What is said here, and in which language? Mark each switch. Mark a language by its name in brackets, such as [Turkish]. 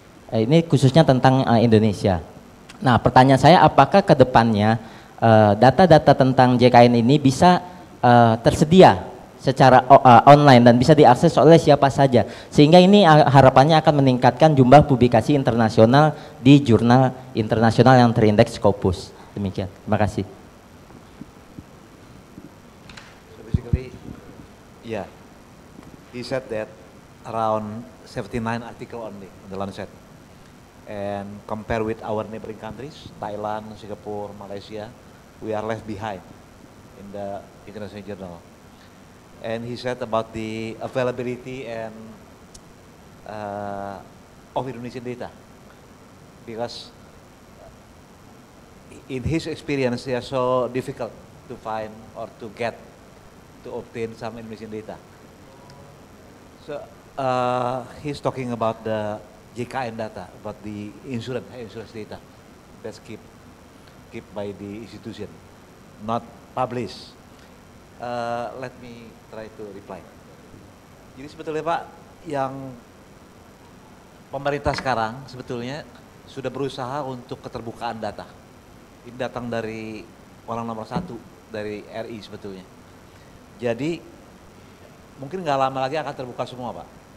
[Indonesian] Ini khususnya tentang Indonesia. Nah, pertanyaan saya apakah kedepannya data-data tentang JKN ini bisa tersedia secara online dan bisa diakses oleh siapa saja, sehingga ini harapannya akan meningkatkan jumlah publikasi internasional di jurnal internasional yang terindeks Scopus. Demikian, terima kasih. [English] So basically, yeah, he said that around 79 article only on the Lancet, and compare with our neighboring countries, Thailand, Singapore, Malaysia, we are left behind in the international journal. And he said about the availability and of Indonesian data, because in his experience they are so difficult to find or to get to obtain some Indonesian data. So he's talking about the JKN data, about the insurance data that's kept by the institution, not published. Let me try to reply. [Indonesian] Jadi sebetulnya Pak, yang pemerintah sekarang sebetulnya sudah berusaha untuk keterbukaan data. Ini datang dari orang nomor satu dari RI sebetulnya. Jadi mungkin nggak lama lagi akan terbuka semua Pak.